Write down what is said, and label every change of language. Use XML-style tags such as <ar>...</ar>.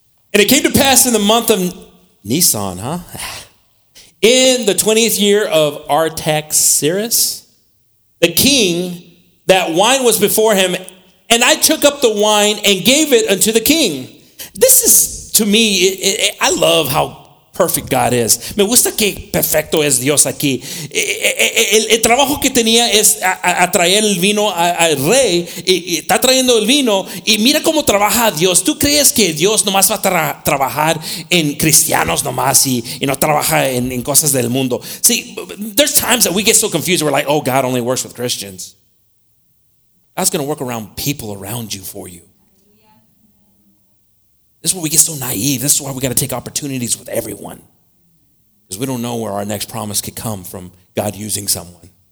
<en>And it came to pass in the month of Nisan, huh? In the 20th year of Artaxerxes, the king, that wine was before him, and I took up the wine and gave it unto the king. This is, to me, I love how perfect God is.</en> <es>Me gusta que perfecto es Dios aquí. El trabajo que tenía es atraer el vino al rey. Y está trayendo el vino. Y mira cómo trabaja Dios. ¿Tú crees que Dios nomás va a trabajar en cristianos nomás y no trabaja en cosas del mundo?</es> <en>See, there's times that we get so confused. We're like, oh, God only works with Christians. God's going to work around people around you for you. This is why we get so naive. This is why we got to take opportunities with everyone. Because we don't know where our next promise could come from God using someone.</en>